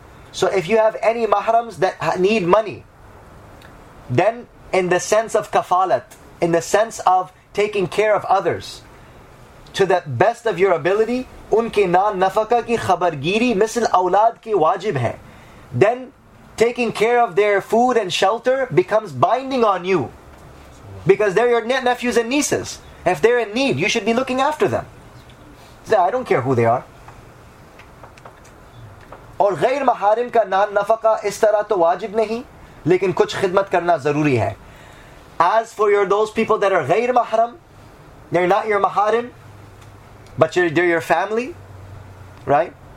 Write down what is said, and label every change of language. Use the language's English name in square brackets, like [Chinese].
[English] So if you have any mahrams that need money, then in the sense of kafalat, in the sense of taking care of others, to the best of your ability, [Urdu] ان کے نان نفقہ کی خبرگیری مثل اولاد کے واجب ہے. [English] Then taking care of their food and shelter becomes binding on you, because they're your nephews and nieces. If they're in need, you should be looking after them. So I don't care who they are. [Urdu] اور غیر محارم کا نان نفقہ اس طرح تو واجب نہیں, لیکن کچھ خدمت کرنا ضروری ہے. [English] As for your those people that are غیر محرم, they're not your محارم, but they're your family, right?